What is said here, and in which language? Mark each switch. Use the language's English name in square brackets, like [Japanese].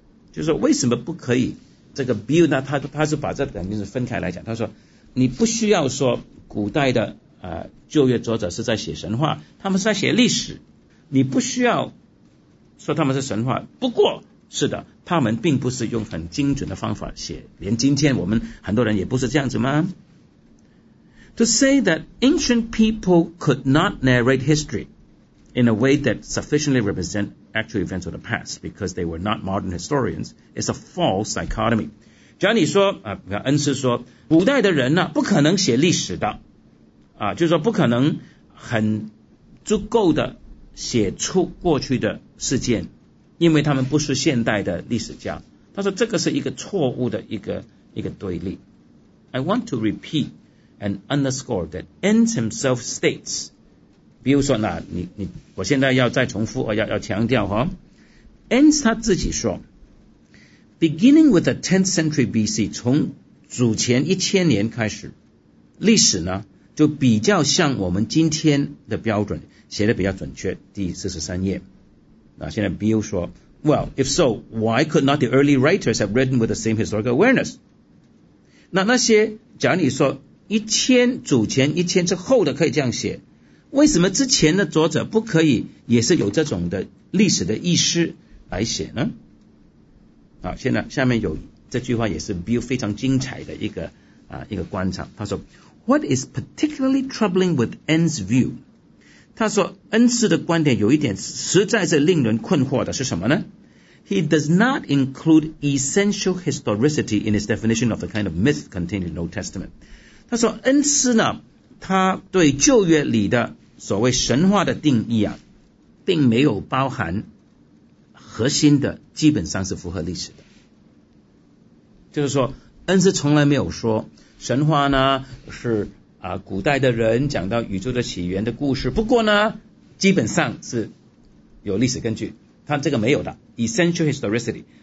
[Chinese] 就是说为什么不可以，这个 Bill 呢 他是把这两件事分开来讲，他说你不需要说古代的旧约作者是在写神话，他们是在写历史，你不需要说他们是神话，不过是的，他们并不是用很精准的方法写，连今天我们很多人也不是这样子吗？ [English] To say that ancient people could not narrate history in a way that sufficiently represent actual events of the past because they were not modern historians is a false dichotomy。 [Chinese] 假如你说恩师说古代的人不可能写历史的就是说不可能很足够的写出过去的事件，因为他们不是现代的历史家，他说这个是一个错误的一个对立。 [English] I want to repeat and underscore that Ent himself states， [Chinese] 比如说那我现在要再重复要强调 ends 他自己说 [English] beginning with the 10th century BC, [Chinese] 从祖前一千年开始，历史呢就比较像我们今天的标准，写的比较准确，第43页。那现在 [English] Bill 说 Well, if so, why could not the early writers have written with the same historical awareness? [Chinese] 那些假如你说一千祖前一千之后的可以这样写，为什么之前的作者不可以也是有这种的历史的意识来写呢？好，现在下面有这句话也是 Bill 非常精彩的一个观察，他说 [English] What is particularly troubling with N's view? [Chinese] 他说恩斯的观点有一点实在是令人困惑的是什么呢？ [English] He does not include essential historicity in his definition of the kind of myth contained in the Old Testament. [Chinese] 他说恩斯呢，他对旧约里的所谓神话的定义啊，并没有包含核心的基本上是符合历史的，就是说恩斯从来没有说神话呢是古代的人讲到宇宙的起源的故事，不过呢基本上是有历史根据，他这个没有的 [English] essential historicity